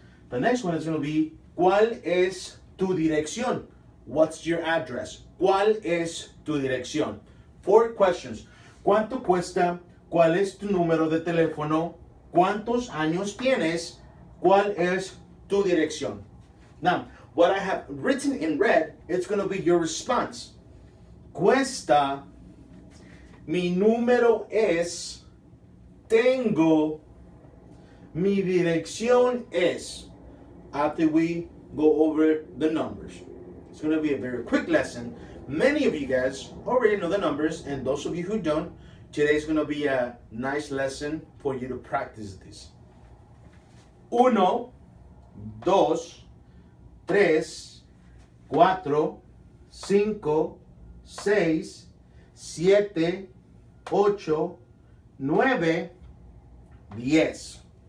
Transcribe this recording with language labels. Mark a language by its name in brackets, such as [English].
[English] The next one is going to be, [Spanish] ¿cuál es tu dirección? [English] What's your address? [Spanish] ¿Cuál es tu dirección? [English] Four questions. [Spanish] ¿Cuánto cuesta? ¿Cuál es tu número de teléfono? ¿Cuántos años tienes? ¿Cuál es tu dirección? [English] Now, what I have written in red, it's going to be your response. [Spanish] Cuesta, mi número es, tengo, mi dirección es. [English] After we go over the numbers. It's going to be a very quick lesson. Many of you guys already know the numbers, and those of you who don't, today's going to be a nice lesson for you to practice this. [Spanish] Uno, dos, tres, cuatro, cinco, seis, siete, ocho, nueve, diez.